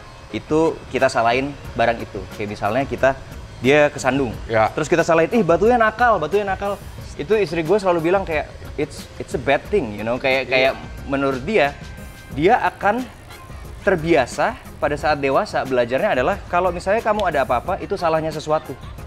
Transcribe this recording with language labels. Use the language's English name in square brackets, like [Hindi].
[Indonesian] Itu kita salahin barang itu. Kayak misalnya kita, dia kesandung. Ya. Terus kita salahin, batunya nakal. Itu istri gue selalu bilang kayak, [English] it's a bad thing, you know. [Indonesian] Kayak menurut dia akan terbiasa pada saat dewasa belajarnya adalah, kalau misalnya kamu ada apa-apa, itu salahnya sesuatu.